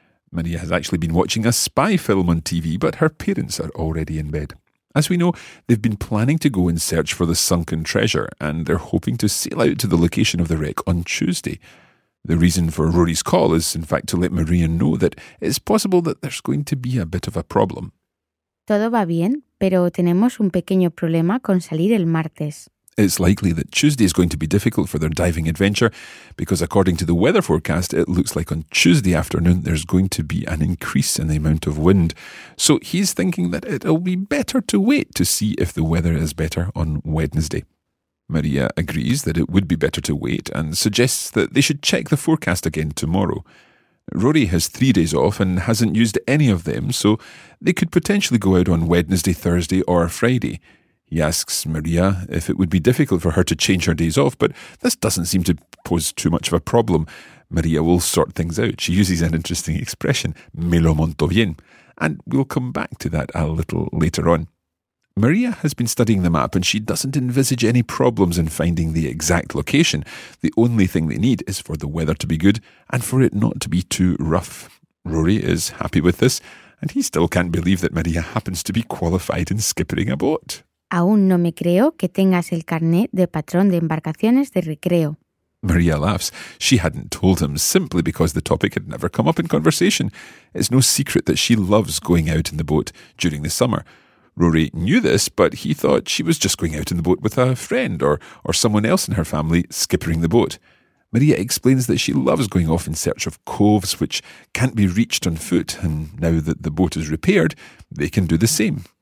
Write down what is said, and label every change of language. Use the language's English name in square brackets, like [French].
[English] Maria has actually been watching a spy film on TV, but her parents are already in bed. As we know, they've been planning to go in search for the sunken treasure, and they're hoping to sail out to the location of the wreck on Tuesday. The reason for Rory's call is, in fact, to let Maria know that it's possible that there's going to be a bit of a problem. [Spanish] Todo va bien, pero tenemos un pequeño problema con salir el martes. [English] It's likely that Tuesday is going to be difficult for their diving adventure, because according to the weather forecast, it looks like on Tuesday afternoon there's going to be an increase in the amount of wind. So he's thinking that it'll be better to wait to see if the weather is better on Wednesday. Maria agrees that it would be better to wait and suggests that they should check the forecast again tomorrow. Rory has 3 days off and hasn't used any of them, so they could potentially go out on Wednesday, Thursday or Friday. He asks Maria if it would be difficult for her to change her days off, but this doesn't seem to pose too much of a problem. Maria will sort things out. She uses an interesting expression, [Spanish] me lo monto bien, [English] and we'll come back to that a little later on. Maria has been studying the map and she doesn't envisage any problems in finding the exact location. The only thing they need is for the weather to be good and for it not to be too rough. Rory is happy with this and he still can't believe that Maria happens to be qualified in skippering a boat. [Spanish] Aún no me creo que tengas el carnet de patrón de embarcaciones de recreo. [English] Maria laughs. She hadn't told him simply because the topic had never come up in conversation. It's no secret that she loves going out in the boat during the summer. Rory knew this, but he thought she was just going out in the boat with a friend or someone else in her family skippering the boat. Maria explains that she loves going off in search of coves which can't be reached on foot, and now that the boat is repaired, they can do the same.